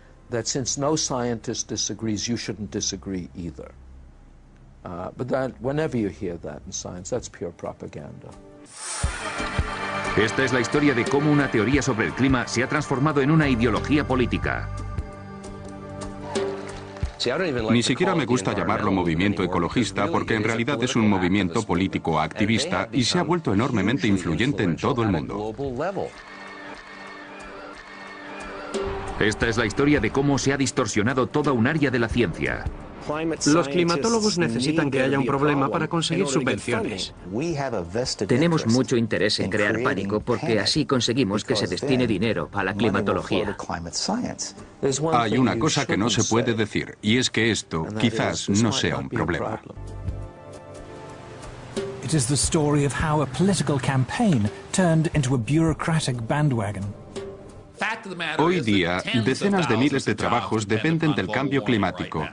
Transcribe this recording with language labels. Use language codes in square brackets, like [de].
[en] that since no scientist disagrees, you shouldn't disagree either. But that, whenever you hear that in science, that's pure propaganda. [es] Esta es la historia de cómo una teoría sobre el clima se ha transformado en una ideología política. Ni siquiera me gusta llamarlo movimiento ecologista porque en realidad es un movimiento político activista y se ha vuelto enormemente influyente en todo el mundo. Esta es la historia de cómo se ha distorsionado toda un área de la ciencia. Los climatólogos necesitan que haya un problema para conseguir subvenciones. Tenemos mucho interés en crear pánico porque así conseguimos que se destine dinero a la climatología. Hay una cosa que no se puede decir, y es que esto quizás no sea un problema. [en] It is the story of how a political campaign turned into a bureaucratic bandwagon. [es] Hoy día, decenas de miles de trabajos dependen del cambio climático.